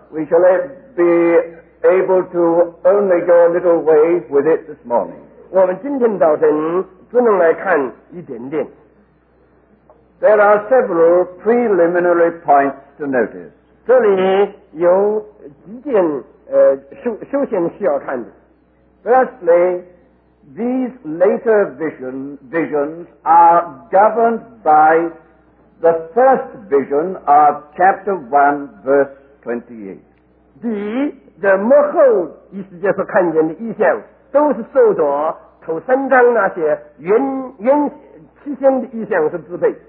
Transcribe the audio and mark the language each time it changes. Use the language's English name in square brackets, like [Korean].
[English] We shall be able to only go a little way with it this morning. [Chinese] 我们今天早晨只能来看一点点。 [English] There are several preliminary points to notice. [Chinese] 这里有几件首先需要看的。 [English] Firstly,These later visions are governed by the first vision of chapter 1, verse 28. [Chinese] 第一，这幕后以西结所看见的异象，都是受着头三章那些原七先的异象所支配。